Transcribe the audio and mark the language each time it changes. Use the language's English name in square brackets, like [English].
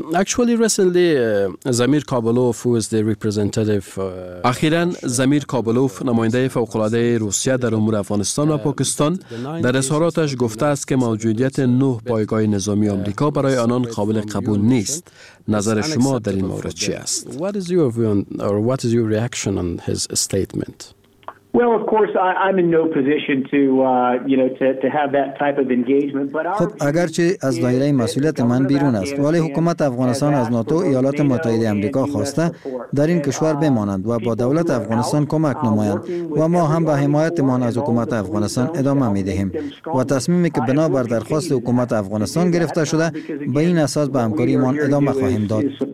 [English] Actually, recently, Zamir Kabulov, who is the representative. [Persian] اخیراً زمیر کابلوف نماینده فوق‌العاده روسیه در امور افغانستان و پاکستان در اظهاراتش گفته است که موجودیت 9 پایگاه نظامی آمریکا برای آنان قابل قبول نیست. نظر شما در این مورد چی است؟ [English] What is your reaction on his statement? Well, of course, I'm in no position to have that type of engagement. But [Persian] خب اگرچه از دایره مسئولیت من بیرون است، ولی حکومت افغانستان از ناتو، ایالات متحده آمریکا خواسته در این کشور بمانند و با دولت افغانستان کمک نمایند و ما هم به حمایتمان از حکومت افغانستان ادامه می‌دهیم. و تصمیمی که بنابر درخواست حکومت افغانستان گرفته شده، به این اساس به همکاریمان ادامه خواهیم داد.